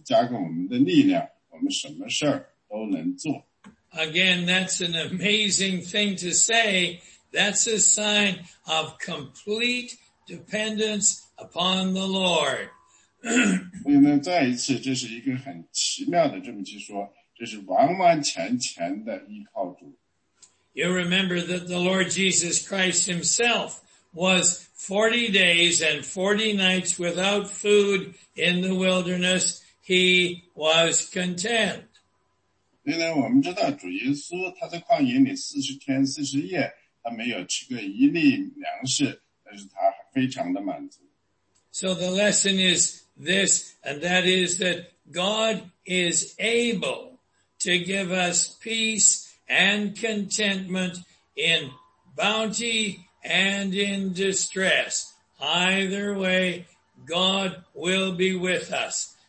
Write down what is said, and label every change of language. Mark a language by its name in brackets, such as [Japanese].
[Chinese] 另外我们在这里觉得是一个非常令人惊奇的东西去学，就是如果主在我这里面有个计划，不管他说什么，我们靠着主加给我们的力量，我们什么事儿都能做。 [English] Again, that's an amazing thing to say, That's a sign of complete dependence upon the Lord. [Chinese] 所以呢,再一次,这是一个很奇妙的,这么去说,就是完完全全的依靠主。 [English] You remember that the Lord Jesus Christ himself was 40 days and 40 nights without food in the wilderness. He was content. [Chinese] 原来我们知道主耶稣他在旷野里40天40夜, 他没有吃过一粒粮食, 但是他非常的满足。 [English] So the lesson is this, and that is that God is able to give us peace and contentment in bounty and in distress. Either way, God will be with us.